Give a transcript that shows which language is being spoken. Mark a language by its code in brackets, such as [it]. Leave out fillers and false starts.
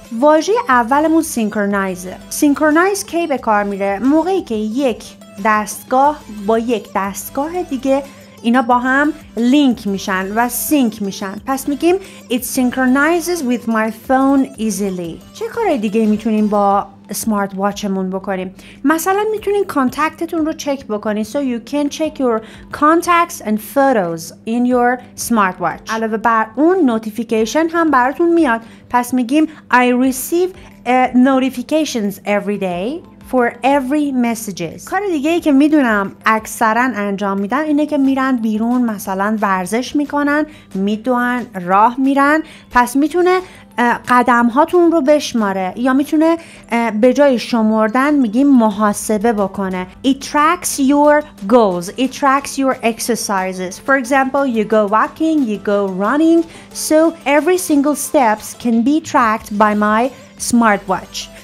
[fa] واژه اولمون سینکرونایزه. سینکرونایز کی به کار میره؟ موقعی که یک دستگاه با یک دستگاه دیگه اینا با هم لینک میشن و سینک میشن. پس میگیم [en] It synchronizes with my phone easily. [fa] چه کارهای دیگه میتونیم با سمارت واچمون بکنیم؟ مثلا میتونین کانتکتتون رو چک بکنین. [en] So you can check your contacts and photos in your smartwatch. [fa] علاوه بر اون نوتیفیکیشن هم براتون میاد. پس میگیم [en] I receive notifications every day for every messages. [fa] کار دیگه ای که میدونم اکثرا انجام میدن اینه که میرن بیرون مثلا ورزش میکنن، میدونن راه میرن، پس میتونه قدم هاتون رو بشماره یا میتونه به جای شمردن میگیم محاسبه بکنه. [en] It tracks your goals. It tracks your exercises. For example, you go walking, you go running, so every single steps can be tracked by my smartwatch.